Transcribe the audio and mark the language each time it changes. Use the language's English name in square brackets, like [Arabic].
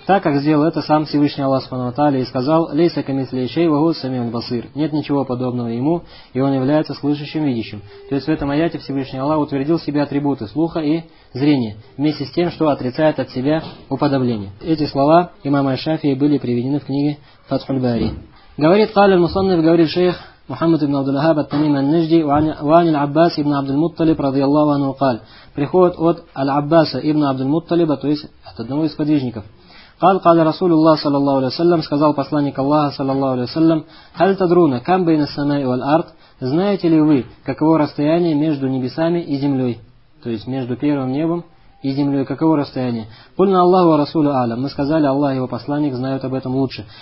[Russian] Так как сделал это сам Всевышний Аллах Субхану ва Тааля и сказал: [Arabic] «Лейса ка мисли шей ва хуа самиу аль-басир». [Russian] Нет ничего подобного ему, и он является слышащим, видящим. То есть в этом аяте Всевышний Аллах утвердил в себе атрибуты слуха и зрения, вместе с тем, что отрицает от себя уподобление. Эти слова имама Аш-Шафии были приведены в книге «Фатхуль-Бари». Говорит [Arabic] قال المصنف [Russian] говорит [Arabic] شيخ محمد بن عبد الوهاب التميمي النجدي وعن العباس بن عبد المطلب رضي الله عنه قال [Russian] приходит от Аль-Аббаса ибн Абд аль-Мутталиба, то есть от одного из подвижников. [Arabic] قال رسول الله صلى الله عليه وسلم, [Russian] сказал посланник Аллаха [Arabic] صلى الله عليه وسلم: هل تدرون كم بين السماء والأرض, [Russian] знаете ли вы, каково расстояние между небесами и землей, то есть между первым небом и землей, каково расстояние? [Arabic] Пульна Аллаху ва Расулу Алям. [Russian] Мы сказали: Аллах и его посланник знают об этом лучше.